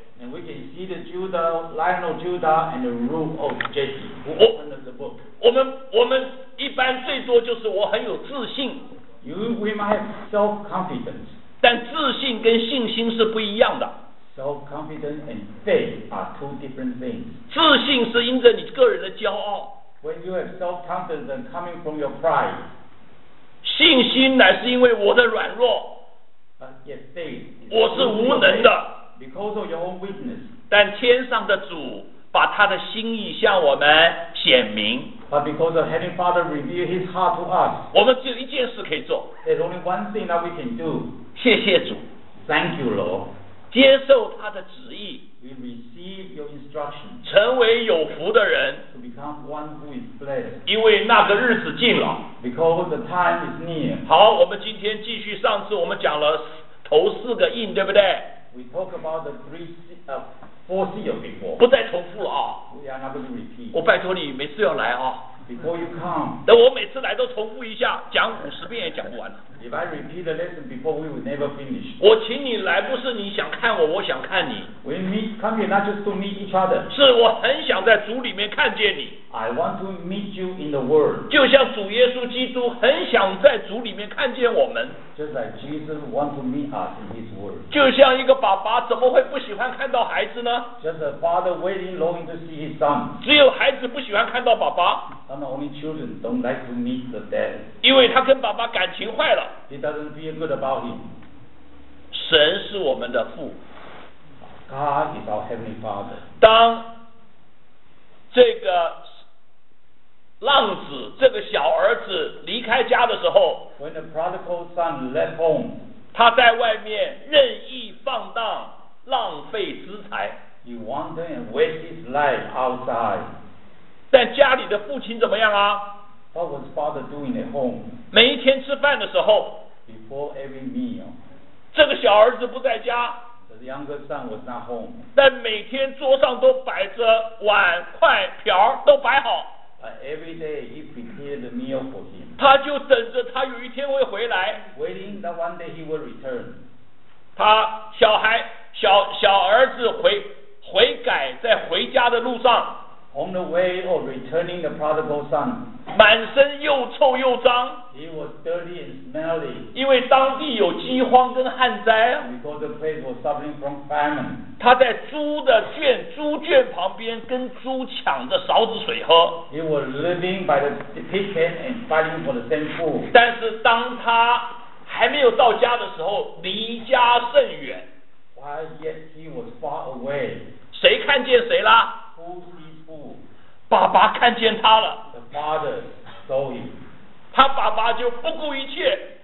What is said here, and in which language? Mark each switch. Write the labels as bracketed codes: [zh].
[en] And we can see the Judah, Lion of Judah, and the Root of Jesse. Who opened the book? [zh] 我们一般最多就是我很有自信。 [en] We might have self-confidence. [zh] 但自信跟信心是不一样的。 [en] Self-confidence and faith are two different things. [zh] 自信是因着你个人的骄傲。 [en] When you have self-confidence and coming from your pride. [zh] 信心乃是因为我的软弱。 [en] Yes, faith. [zh] 我是无能的。 [en] Because of your own weakness. [zh] 但天上的主把他的心意向我们显明。 [en] But because of Heavenly Father revealed His heart to us. [zh] 我们只有一件事可以做。 [en] There's only one thing that we can do. [zh] 谢谢主。 [en] Thank you, Lord. [zh] 接受他的旨意。 [en] We receive your instruction. [zh] 成为有福的人。 [en] To become one who is blessed. [zh] 因为那个日子近了。 [en] Because the time is near. [zh] 好，我们今天继续上次我们讲了头四个印，对不对？ [en] We talk about the four seals before. [zh] 不再重复了啊。 [en] We are not going to repeat. [zh] 我拜托你每次要来啊。 [en] Before you come. [zh] 等我每次来都重复一下，讲五十遍也讲不完了。 [en] If I repeat the lesson before, we will never finish. [zh] 我请你来不是你想看我，我想看你。 [en] We meet, come here not just to meet each other. [zh] 是我很想在主里面看见你。 [en] I want to meet you in the world. [zh] 就像主耶稣基督很想在主里面看见我们。 [en] Just like Jesus wants to meet us in His world. [zh] 就像一个爸爸怎么会不喜欢看到孩子呢？ [en] Just a father waiting, longing to see his son. [zh] 只有孩子不喜欢看到爸爸。 [en] Some only children don't like to meet the dad. [zh] 因为他跟爸爸感情坏了。 [en] He doesn't feel good about him. [zh] 神是我们的父。 [en] God is our heavenly father. [zh] 当这个浪子，这个小儿子离开家的时候， [en] When the prodigal son left home, [zh] 他在外面任意放荡，浪费资财。 [en] He wandered and wasted his life outside. [zh] 但家里的父亲怎么样啊？ [en] What was father doing at home? [zh] 每一天吃饭的时候， [en] Before every meal, [zh] 这个小儿子不在家， [en] The younger son was not home. [zh] 但每天桌上都摆着碗筷瓢都摆好。 [en] Every day he prepared the meal for him. [zh] 他就等着他有一天会回来。 [en] Waiting that one day he will return. [zh] 他小孩小儿子悔改在回家的路上。 [en] On the way of returning the prodigal son. [zh] 满身又臭又脏。 [en] He was dirty and smelly. [zh] 因为当地有饥荒跟旱灾。 [en] Because the place was suffering from famine. [zh] 他在猪圈旁边跟猪抢着勺子水喝。 [en] He was living by the pig pen and fighting for the same food. [zh] 但是当他还没有到家的时候，离家甚远。 [en] While yet he was far away. [zh] 谁看见谁了？ [en] Who sees who? [zh] 爸爸看见他了。 [en] The father saw him. [zh] 他爸爸就不顾一切。